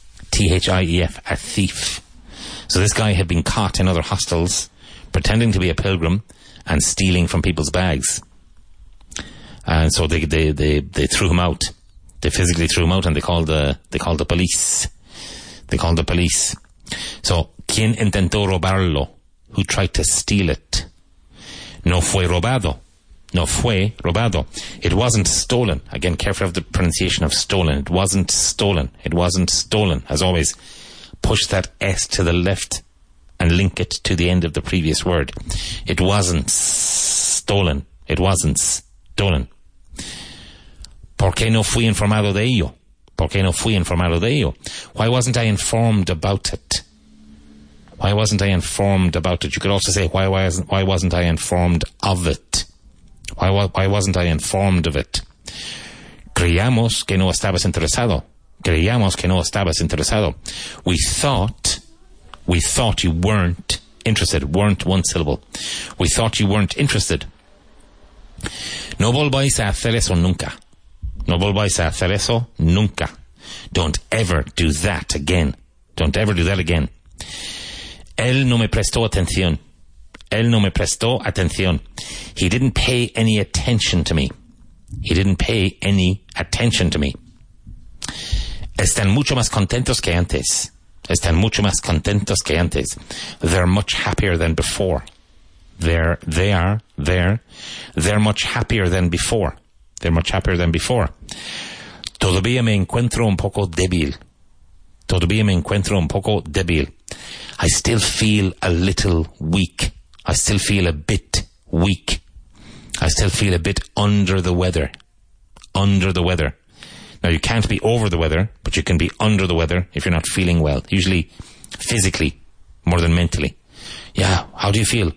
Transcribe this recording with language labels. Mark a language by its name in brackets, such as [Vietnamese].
[English] T-H-I-E-F, a thief. So this guy had been caught in other hostels pretending to be a pilgrim and stealing from people's bags. And so they threw him out. They physically threw him out, and they called the police. They called the police. [Spanish] So, ¿quién intentó robarlo? [English] Who tried to steal it? [Spanish] No fue robado. No fue robado. [English] It wasn't stolen. Again, careful of the pronunciation of stolen. It wasn't stolen. It wasn't stolen. As always, push that S to the left and link it to the end of the previous word. It wasn't stolen. It wasn't stolen. [Spanish] ¿Por qué no fui informado de ello? ¿Por qué no fui informado de ello? [English] Why wasn't I informed about it? Why wasn't I informed about it? You could also say, why wasn't I informed of it? Why wasn't I informed of it? [Spanish] Creíamos que no estabas interesado. Creíamos que no estabas interesado. [English] We thought you weren't interested. Weren't one syllable. We thought you weren't interested. [Spanish] No volváis a hacer eso nunca. No volváis a hacer eso nunca. [English] Don't ever do that again. Don't ever do that again. [Spanish] Él no me prestó atención. Él no me prestó atención. [English] He didn't pay any attention to me. He didn't pay any attention to me. [Spanish] Están mucho más contentos que antes. Están mucho más contentos que antes. [English] They're much happier than before. They're much happier than before. They're much happier than before. [Spanish] Todavía me encuentro un poco débil. Todavía me encuentro un poco débil. [English] I still feel a little weak. I still feel a bit weak. I still feel a bit under the weather. Under the weather. Now, you can't be over the weather, but you can be under the weather if you're not feeling well. Usually, physically, more than mentally. Yeah, how do you feel?